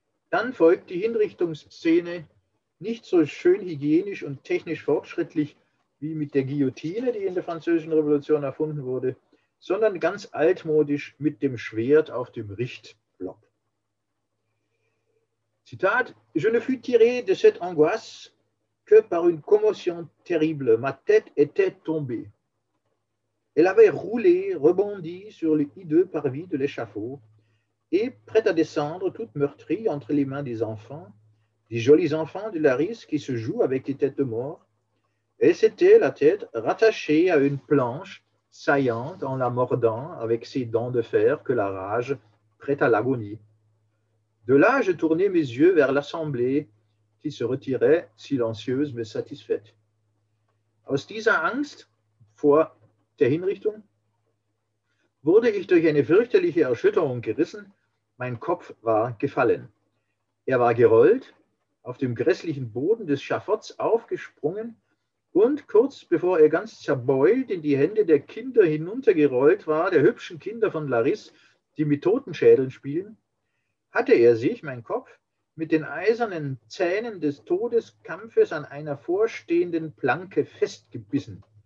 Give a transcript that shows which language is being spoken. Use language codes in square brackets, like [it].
[de] Dann folgt die Hinrichtungsszene, nicht so schön hygienisch und technisch fortschrittlich wie mit der Guillotine, die in der Französischen Revolution erfunden wurde, sondern ganz altmodisch mit dem Schwert auf dem Richtblock. [fr] Zitat, je ne fus tiré de cette angoisse que par une commotion terrible. Ma tête était tombée. Elle avait roulé, rebondi sur le hideux parvis de l'échafaud et prête à descendre toute meurtrie entre les mains des enfants, des jolis enfants de Laris qui se jouent avec les têtes mortes. Et c'était la tête rattachée à une planche saillante en la mordant avec ses dents de fer que la rage prête à l'agonie. De là, je tournai mes yeux vers l'assemblée, qui se retirait silencieuse, mais satisfaite. [de] Aus dieser Angst vor der Hinrichtung wurde ich durch eine fürchterliche Erschütterung gerissen. Mein Kopf war gefallen. Er war gerollt, auf dem grässlichen Boden des Schafotts aufgesprungen und kurz bevor er ganz zerbeult in die Hände der Kinder hinuntergerollt war, der hübschen Kinder von Laris, die mit Totenschädeln spielen, hatte er sich, mein Kopf, mit den eisernen Zähnen des Todeskampfes an einer vorstehenden Planke festgebissen.